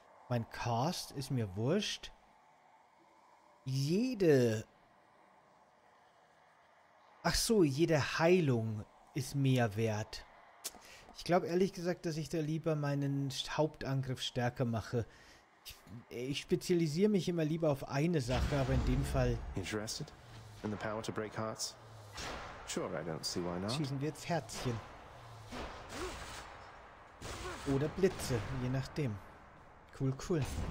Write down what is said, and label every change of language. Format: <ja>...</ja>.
<de>Mein Cast ist mir wurscht. Jede Heilung ist mehr wert. Ich glaube ehrlich gesagt, dass ich da lieber meinen Hauptangriff stärker mache. Ich spezialisiere mich immer lieber auf eine Sache, aber in dem Fall.</de> <en>Interested in the power to break hearts? Sure, I don't see why not.</en> <de>Schießen wir jetzt Herzchen. Oder Blitze, je nachdem. Cool, cool.</de>